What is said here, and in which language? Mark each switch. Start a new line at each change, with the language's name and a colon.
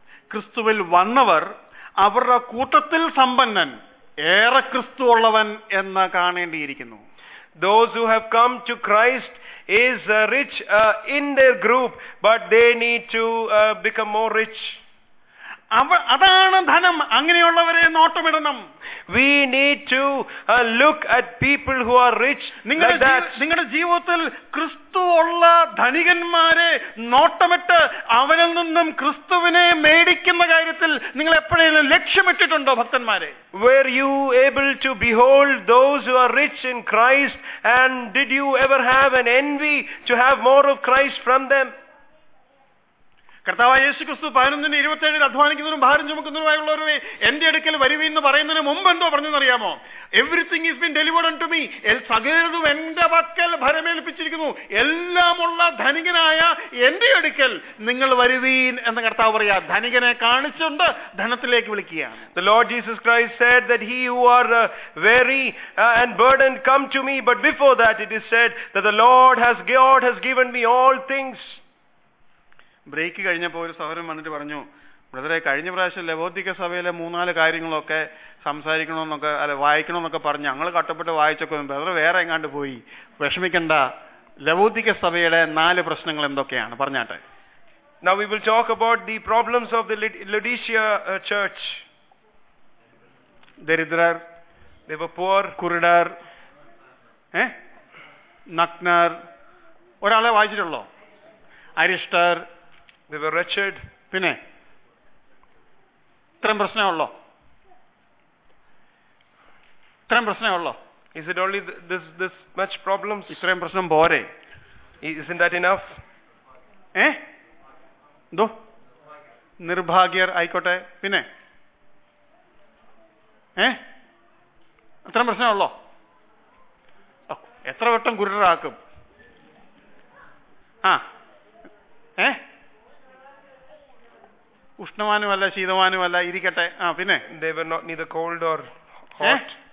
Malayalam: ക്രിസ്തുവിൽ വന്നവർ അവരുടെ കൂട്ടത്തിൽ സമ്പന്നൻ, ഏറെ ക്രിസ്തു ഉള്ളവൻ എന്ന് കാണേണ്ടിയിരിക്കുന്നു.
English: Those who have come to Christ is rich in their group, but they need to become more rich.
Malayalam: അതാണ് ധനം. അങ്ങനെയുള്ളവരെ നോട്ടമിടണം.
English: We need to look at people who are rich.
Malayalam: നിങ്ങളുടെ ജീവിതത്തിൽ ക്രിസ്തു ഉള്ള ധനികന്മാരെ നോട്ടമിട്ട് അവനിൽ നിന്നും ക്രിസ്തുവിനെ മേടിക്കുന്ന കാര്യത്തിൽ നിങ്ങൾ എപ്പോഴെങ്കിലും ലക്ഷ്യമിട്ടിട്ടുണ്ടോ ഭക്തന്മാരെ?
English: Were you able to behold those who are rich in Christ, and did you ever have an envy to have more of Christ from them?
Malayalam: കർത്താവായ യേശു ക്രിസ്തു 11:27 അധ്വാനിക്കുന്നതിനും ഭാരം ചുമക്കുന്നതിനുമായുള്ളവരെ എന്റെ അടുക്കൽ വരുവേ എന്ന് പറയുന്നതിന് മുമ്പ് എന്തോ പറഞ്ഞെന്നറിയാമോ?
English: everything is been delivered unto me,
Malayalam: സകലതും എന്റെ പക്കൽ ഭരമേൽപ്പിച്ചിരിക്കുന്നു, എല്ലാമുള്ള ധനികനായ എന്റെ അടുക്കൽ നിങ്ങൾ വരുവീൻ എന്ന് കർത്താവ് പറയാ. ധനികനെ കാണിച്ചുകൊണ്ട് ധനത്തിലേക്ക് വിളിക്കുകയാണ്.
English: The Lord Jesus Christ said that he who are weary and burdened come to me, but before that it is said that the Lord has God has given me all things.
Malayalam: Break കഴിഞ്ഞപ്പോൾ ഒരു സഹോദരൻ വന്നിട്ട് പറഞ്ഞു, ബ്രദറെ കഴിഞ്ഞ പ്രാവശ്യം ലവോദിക സഭയിലെ മൂന്നാല് കാര്യങ്ങളൊക്കെ സംസാരിക്കണമെന്നൊക്കെ അല്ല വായിക്കണമെന്നൊക്കെ പറഞ്ഞ് ഞങ്ങൾ കട്ടപ്പെട്ട് വായിച്ചൊക്കെ ബ്രദർ വേറെ എങ്ങാണ്ട് പോയി. വിഷമിക്കണ്ട, ലവോദിക സഭയുടെ നാല് പ്രശ്നങ്ങൾ എന്തൊക്കെയാണ് പറഞ്ഞാട്ടെ.
English: Now we will talk about the problems of the Laodicea church.
Malayalam: ദരിദ്രർ,
English: they were poor,
Malayalam: കുരുടർ, നഗ്നർ, ഒരാളെ വായിച്ചിട്ടുള്ളോ? അരിഷ്ടർ,
English: they were wretched.
Malayalam: പിന്നെ ഇത്രയും പ്രശ്നമുള്ളോ? ഇത്രയും പ്രശ്നമുള്ളോ?
English: Is it only this much problems?
Malayalam: ഇത്രയും പ്രശ്നം പോരെ?
English: Isn't that enough?
Malayalam: ദോ നിർഭാഗ്യർ ആയിക്കോട്ടെ. പിന്നെ ഇത്രയും പ്രശ്നമുള്ളോ? എത്ര വട്ടം കുരുടറാക്കും? ഉഷ്ണമാനുമല്ല ശീതമാനുമല്ല ഇരിക്കട്ടെ. പിന്നെ
English: they were not neither cold or hot.